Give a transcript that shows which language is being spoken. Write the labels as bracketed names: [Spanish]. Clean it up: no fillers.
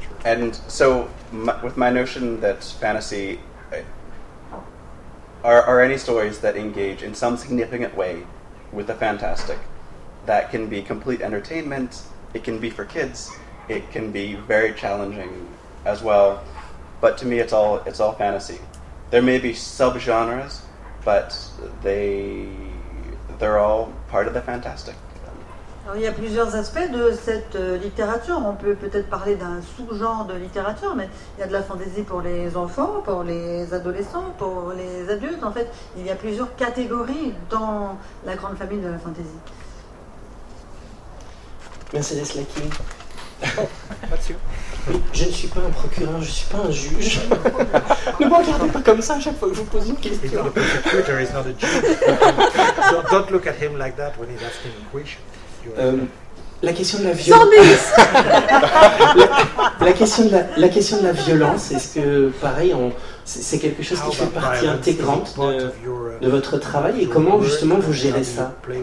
[English] And so, with my notion that fantasy are any stories that engage in some significant way with the fantastic, that can be complete entertainment. It can be for kids. It can be very challenging as well. But to me, it's all fantasy. There may be subgenres, but they're all part of the fantastic. [French] Alors, il y a plusieurs aspects de cette littérature. On peut peut-être parler d'un sous-genre de littérature, mais il y a de la fantasy pour les enfants, pour les adolescents, pour les adultes. En fait, il y a plusieurs catégories dans la grande famille de la fantasy. Mercedes Lakin. Mathieu. Je ne suis pas un procureur, je ne suis pas un juge. Ne me regardez pas comme ça à chaque fois que je vous pose une question. [English] He's not a procureur, he's not a judge. So don't look at him like that when he's asking a question. [French] La question de la violence. La question de la violence, est-ce que, pareil, c'est quelque chose qui fait partie intégrante de votre travail et comment justement vous gérez ça?